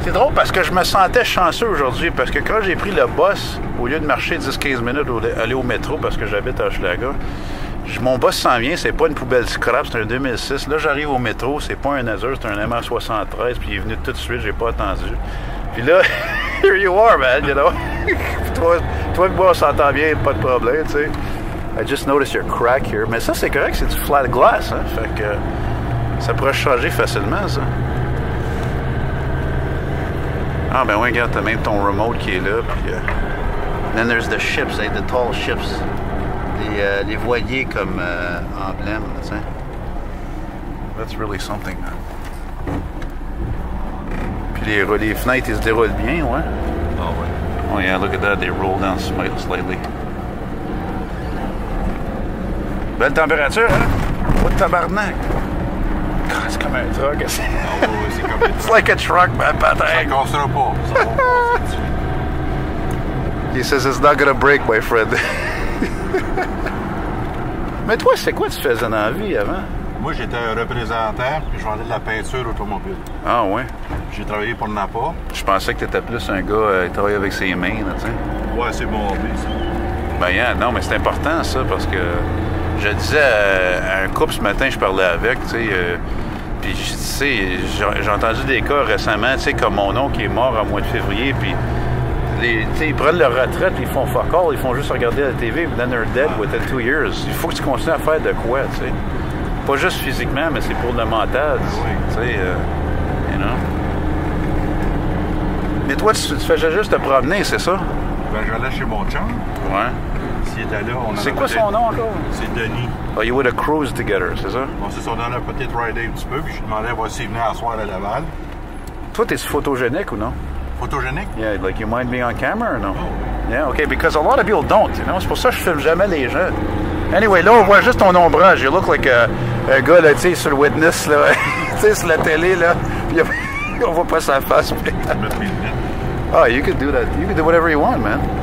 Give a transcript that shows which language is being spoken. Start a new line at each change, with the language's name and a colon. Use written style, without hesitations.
French: C'est drôle parce que je me sentais chanceux aujourd'hui parce que quand j'ai pris le bus, au lieu de marcher 10-15 minutes ou aller au métro parce que j'habite à Hochelaga, mon boss s'en vient, c'est pas une poubelle scrap, c'est un 2006. Là, j'arrive au métro, c'est pas un Azure, c'est un MR73, puis il est venu tout de suite, j'ai pas attendu. Puis là,
English: here you are, man, you know.
French: toi et moi, on s'entend bien, pas de problème, tu sais.
English: I just noticed your crack here.
French: Mais ça, c'est correct, c'est du flat glass, hein. Fait que ça pourrait changer facilement, ça. Ah, ben oui, regarde, t'as même ton remote qui est là, puis.
English: Then there's the ships, eh, the tall ships.
French: Les voiliers comme emblème, tu sais.
English: That's really something, man.
French: Puis les fenêtres, ils se déroulent bien, ouais. Oh, ouais.
English: Oh, yeah, look at that, they roll down slightly.
French: Belle température, hein?
English: What the
French: tabarnak? God, c'est comme un truck, c'est... comme un truck.
English: It's like a truck, man, patin.
French: Ça cassera pas.
English: He says it's not gonna break, my friend.
French: Mais toi, c'est quoi tu faisais dans la vie avant? Moi, j'étais un représentant, puis je vendais de la peinture automobile. Ah, ouais. J'ai travaillé pour Napa. Je pensais que tu étais plus un gars qui travaillait avec ses mains, là, tu sais. Ouais, c'est mon hobby, ça. Ben, yeah, non, mais c'est important, ça, parce que je disais à un couple ce matin, je parlais avec, tu sais. Puis, tu sais, j'ai entendu des cas récemment, tu sais, comme mon oncle qui est mort en mois de février, puis. Ils prennent leur retraite, ils font fuck all, ils font juste regarder la TV,
English: then they're dead within 2 years.
French: Il faut que tu continues à faire de quoi, tu sais. Pas juste physiquement, mais c'est pour le mental, tu sais.
English: You know?
French: Mais toi, tu fais juste te promener, c'est ça? Ben, j'allais chez mon chum. Ouais. S'il était là, on a. C'est quoi son nom, encore? C'est Denis.
English: Oh, you would have cruised together,
French: c'est ça? Bon, c'est ça, on allait peut-être rider un petit peu, puis je lui demandais, voici, s'il venait à soir à Laval. Toi, t'es photogénique ou non? Photogénique?
English: Yeah, like you mind being on camera or no? Oh. Yeah, okay, because a lot of people don't, you know?
French: C'est pour ça que je filme jamais les gens. Anyway, là, on voit juste ton ombrage.
English: You look like a
French: gars, là, tu sais, sur le Witness, là. Tu sais, sur la télé, là. Puis on voit pas sa face. Mais...
English: Oh, you could do that. You could do whatever you want, man.